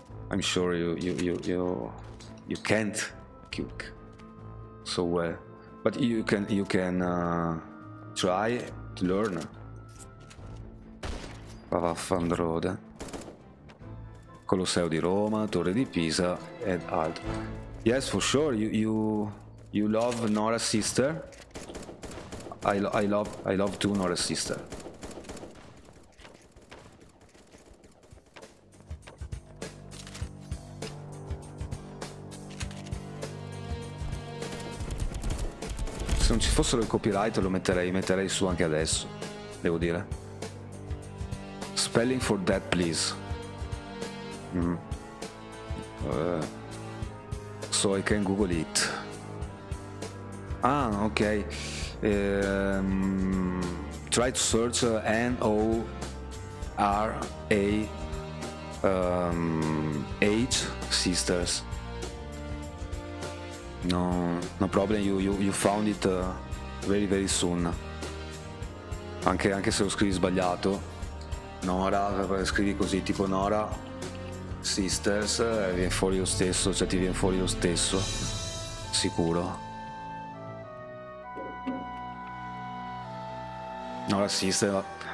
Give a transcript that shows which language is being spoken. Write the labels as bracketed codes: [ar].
[en] I'm sure you can't cook so well, but you can try to learn. Vaffanrode. [it] Colosseo di Roma, Torre di Pisa ed altro. [en] Yes, for sure. You love Nora Sister. I love too Nora Sister. [it] Se non ci fossero il copyright lo metterei su anche adesso, devo dire. [en] Spelling for that, please. So I can Google it. Ah, ok. Try to search N-O-R-A H Sisters. No problem, you found it very very soon. [it] Anche se lo scrivi sbagliato. Nora, scrivi così, tipo Nora Sisters, viene fuori lo stesso, cioè ti viene fuori lo stesso. Sicuro. Nora Sisters.